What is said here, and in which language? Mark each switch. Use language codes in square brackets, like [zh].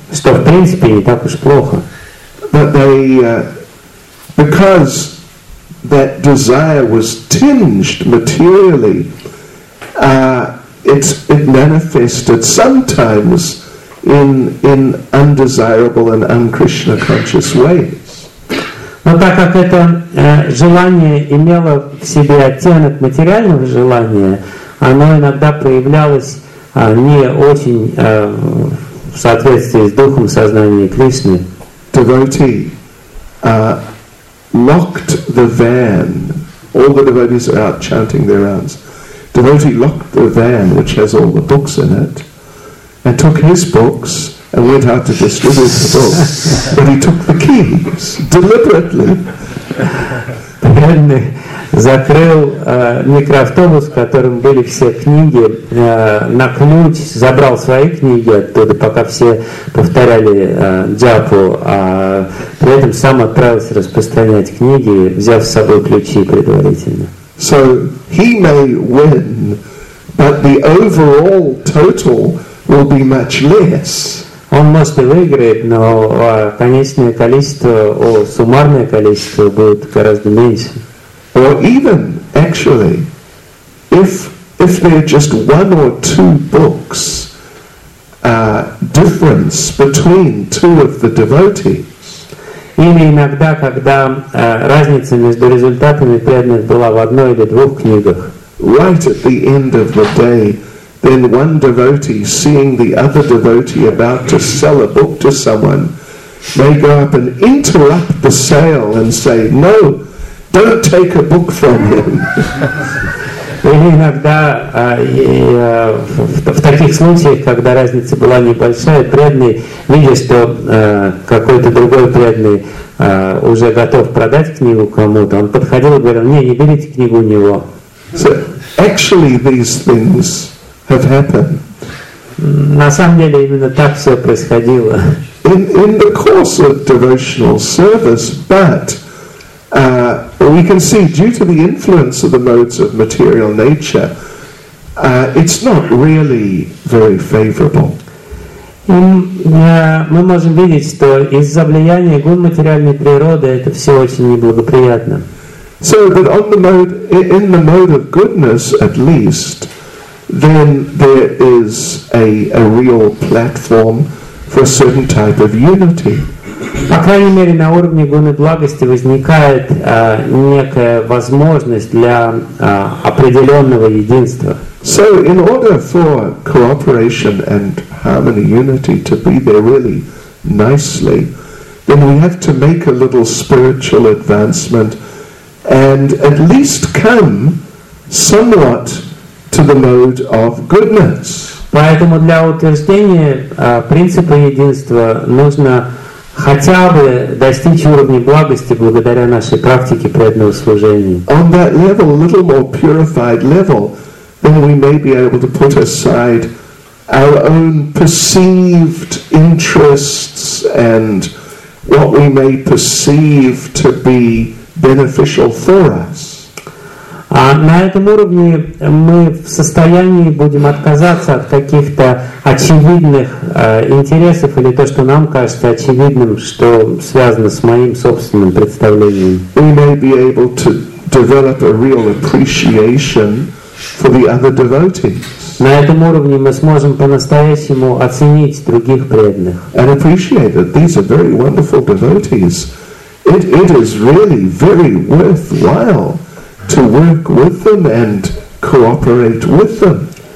[ru] Что в принципе не так уж плохо. [en] But they, because that desire was tinged materially, it manifested sometimes in undesirable and un-Krishna conscious ways. [ru] Но так как это желание имело в себе оттенок материального желания, оно иногда проявлялось не очень в соответствии с духом сознания Кришны. [en] Devotee, locked the van. All the devotees are out chanting their rounds. Devotee locked the van, which has all the books in it, and took his books and went out to distribute the books. But he took the keys deliberately. [ru] Преданный закрыл микроавтобус, в котором были все книги, на ключ забрал свои книги оттуда, пока все повторяли джапу, а при этом сам отправился распространять книги, взяв с собой ключи предварительно. [en] So he may win, but the overall total will be much less. [ru] Он может и выиграет, но конечное количество, суммарное количество будет гораздо меньше. [en] Or even, actually, if there are just one or two books difference between two of the devotees. [ru] Или иногда, когда разница между результатами преданных была в одной или двух книгах. [en] Right at the end of the day, then one devotee, seeing the other devotee about to sell a book to someone, may go up and interrupt the sale and say, "No, don't take a book from him." [ru] Или иногда в таких случаях, когда разница была небольшая, преданный видит, что какой-то другой преданный уже готов продать книгу кому-то, он подходил и говорил, не берите книгу у него. [en] So actually these things have happened. [ru] На самом деле именно так все происходило. [en] In the course of devotional service, but we can see due to the influence of the modes of material nature, it's not really very favorable. [ru] Мы можем видеть, что из-за влияния гун материальной природы это все очень неблагоприятно. [en] So, but on the mode, in the mode of goodness, at least, then there is a real platform for a certain type of unity. [ru] По крайней мере, на уровне гуны благости возникает некая возможность для определенного единства. [en] So, in order for cooperation and harmony, unity to be there really nicely, then we have to make a little spiritual advancement and at least come somewhat to the mode of goodness. [ru] Поэтому для утверждения принципа единства нужно хотя бы достичь уровня благости благодаря нашей практике преданного служения. [en] On that level, a little more purified level, then we may be able to put aside our own perceived interests and what we may perceive to be beneficial for us. [ru] А на этом уровне мы в состоянии будем отказаться от каких-то очевидных интересов или то, что нам кажется очевидным, что связано с моим собственным представлением. [en] We may be able to develop a real appreciation for the other devotees. [ru] На этом уровне мы сможем по-настоящему оценить других преданных. [en] And appreciate that these are very wonderful devotees. It is really very worthwhile to work with them and cooperate with them.